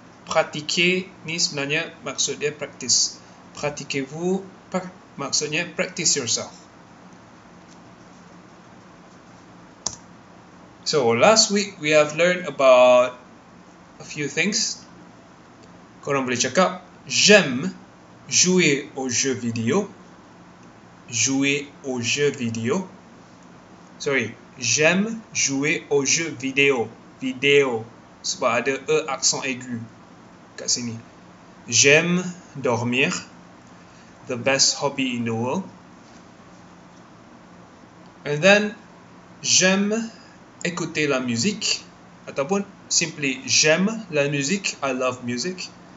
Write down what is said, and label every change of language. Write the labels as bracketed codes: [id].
[ms] Pratiquez ni sebenarnya maksudnya practice. Pratiquez-vous maksudnya [en] practice yourself. So, last week we have learned about a few things. [ms] Korang boleh cakap, [fr] j'aime jouer aux jeux vidéo. Jouer aux jeux vidéo. Sorry. J'aime jouer aux jeux vidéo. Vidéo. [ms] Sebab ada E accent aigu kat sini. [fr] J'aime dormir. [en] The best hobby in the world. And then, [fr] j'aime écouter la musique, ataupun simply j'aime la musique, [en] I love music.